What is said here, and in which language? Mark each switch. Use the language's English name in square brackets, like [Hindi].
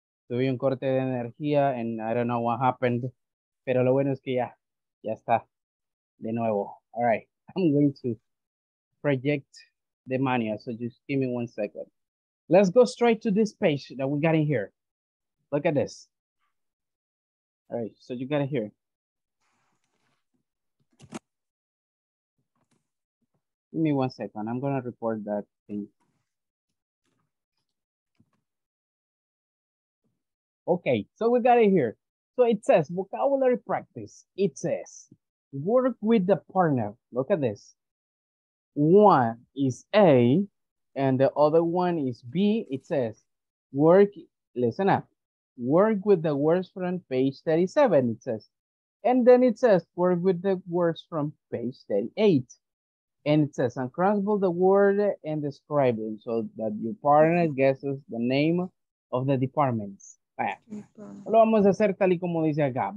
[Spanish] Tuve un corte de energía [English] and I don't know what happened. [Spanish] Pero lo bueno es que ya, ya está. De nuevo. [English] All right. I'm going to project the mania. So just give me 1 second. Let's go straight to this page that we got in here. Look at this. All right. So you got it here. Give me 1 second. I'm going to report that thing. Okay, so we got it here. So it says vocabulary practice. It says work with the partner. Look at this. One is A and the other one is B. It says work, listen up, work with the words from page 37. It says, and then it says work with the words from page 38. And it says uncrumble the word and describe it so that your partner guesses the name of the departments. [Spanish] Lo vamos a hacer tal y como dice acá.